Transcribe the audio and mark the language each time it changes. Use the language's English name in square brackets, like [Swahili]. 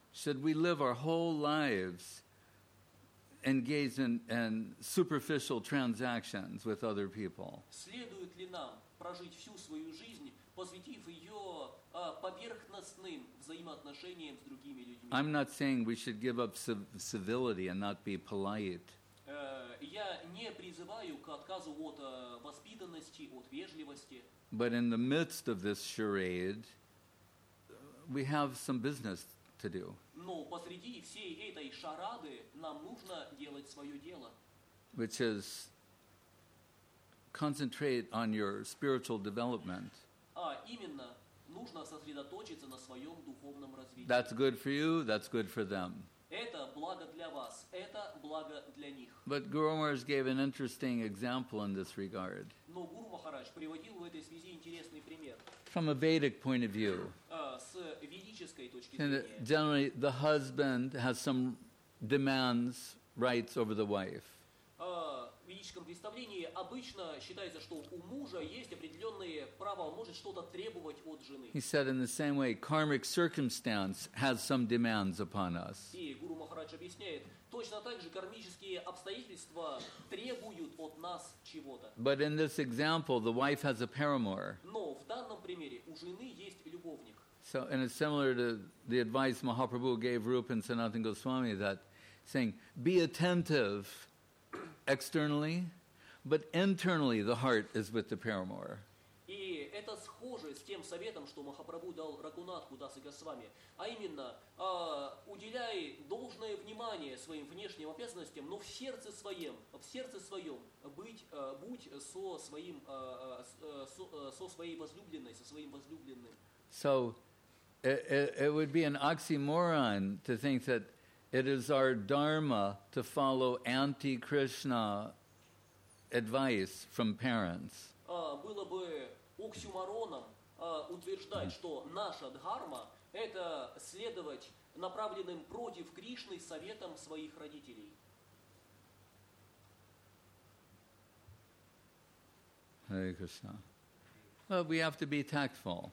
[English] Should we live our whole lives engaged in superficial transactions with other people? [Russian] Следует ли нам прожить всю свою жизнь, посвятив ее поверхностным взаимоотношениям с другими людьми? [English] I'm not saying we should give up civility and not be polite. [Russian] Я не призываю к отказу от воспитанности, от вежливости. [English] But in the midst of this charade, we have some business to do. [Russian] Но посреди всей этой шарады нам нужно делать свое дело. [English] Which is concentrate on your spiritual development. [Russian] А именно, нужно сосредоточиться на своем духовном развитии. [English] That's good for you, that's good for them. [Russian] Это благо для вас, это благо для них. [English] But Guru Maharaj gave an interesting example in this regard. [Russian] Но Гуру Махарадж приводил в этой связи интересный пример. [English] From a Vedic point of view. [Russian] С ведической точки зрения. [English] Generally, the husband has some demands, rights over the wife. [Russian] В ведическом представлении обычно считается, что у мужа есть определенные права, он может что-то требовать от жены. [English] He said in the same way, karmic circumstance has some demands upon us. [Russian] И Гуру Махарадж объясняет, точно так же кармические обстоятельства требуют от нас чего-то. [English] But in this example, the wife has a paramour. [Russian] Но в данном примере у жены есть любовник. [English] So, and it's similar to the advice Mahaprabhu gave Rupa and Sanatana Goswami that saying, be attentive externally, but internally the heart is with the paramour. [Russian] И это схоже с тем советом, что Махапрабху дал Рагунатху Дасу Госвами, а именно, уделяй должное внимание своим внешним обязанностям, но в сердце своем будь со своей возлюбленной, со своим возлюбленным. [English] So it would be an oxymoron to think that it is our dharma to follow anti-Krishna advice from parents. [Russian] Было бы оксюмороном утверждать, что наша дхарма – это следовать направленным против Кришны советам своих родителей. [English] Hare Krishna. Well, we have to be tactful.